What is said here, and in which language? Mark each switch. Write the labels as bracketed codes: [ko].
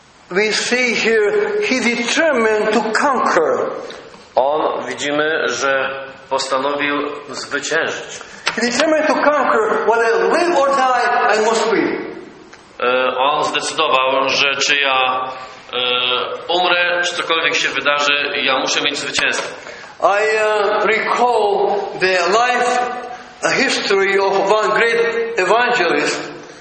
[en] We see here, he determined to conquer. [pl] On widzimy, że postanowił zwyciężyć. [en] He determined to conquer, whether live or die, I must be. [pl] On zdecydował, że czy ja umrę, czy cokolwiek się wydarzy, ja muszę mieć zwycięstwo. [en] I recall the life. A history of one great evangelist.